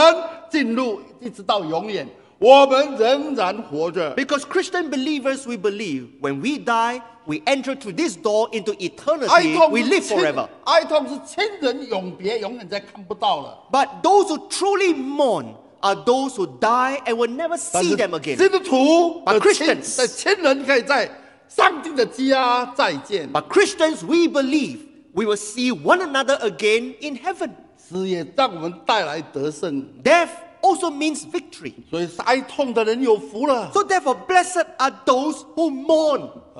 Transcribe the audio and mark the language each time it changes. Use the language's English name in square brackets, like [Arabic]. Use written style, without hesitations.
[Chinese] 信的人可以看到，可以从现在这道道死了以后，从这道门进入，一直到永远。我们仍然活着。 [English] Because Christian believers, we believe when we die, we enter through this door into eternity. We live forever. [Chinese] 哀痛是亲人永别，永远再看不到了。 [English] But those who truly mourn are those who die and will never see them again. [Chinese] 基督徒, [English] but Christians, [Chinese] 亲人可以在上帝的家再见。 [English] But Christians, we believe we will see one another again in heaven. [Chinese] 死也让我们带来得胜。 [English] Death also means victory. [Chinese] 所以是哀痛的人有福了。 [English] So therefore, blessed are those who mourn.